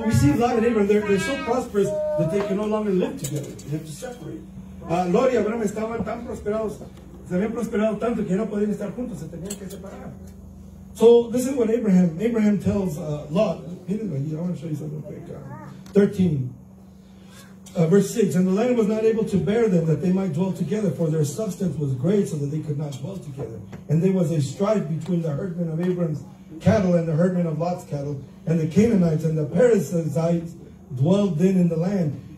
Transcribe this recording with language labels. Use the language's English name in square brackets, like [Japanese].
[English] we see Lot and Abraham, they're so prosperous that they can no longer live together. They have to separate. [Spanish] Lot y Abraham estaban tan prosperados, se habían prosperado tanto que no podían estar juntos, se tenían que separar. [English] So this is what Abraham tells Lot. I want to show you something real quick. 13. Verse 6, and the land was not able to bear them that they might dwell together, for their substance was great so that they could not dwell together. And there was a strife between the herdmen of Abram's cattle and the herdmen of Lot's cattle, and the Canaanites and the Perizzites dwelled then in the land.